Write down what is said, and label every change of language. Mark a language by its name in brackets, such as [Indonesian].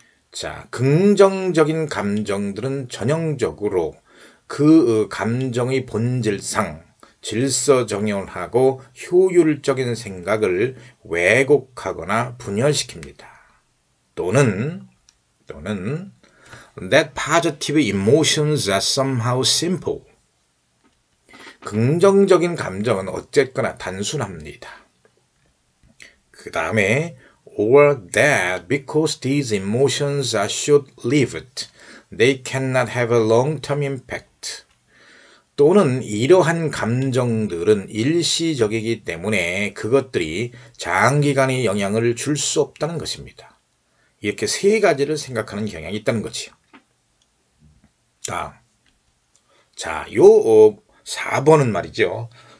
[Korean] 자, 긍정적인 감정들은 전형적으로 그 감정의 본질상 질서정연하고 효율적인 생각을 왜곡하거나 분열시킵니다. 또는 [English] that positive emotions are somehow simple. [Korean] 긍정적인 감정은 어쨌거나 단순합니다. 그 다음에 [English] or that because these emotions are short-lived, they cannot have a long-term impact. [Korean] 또는 이러한 감정들은 일시적이기 때문에 그것들이 장기간의 영향을 줄 수 없다는 것입니다. 이렇게 세 가지를 생각하는 경향이 있다는 거지요. 자, 요 4번은 말이죠.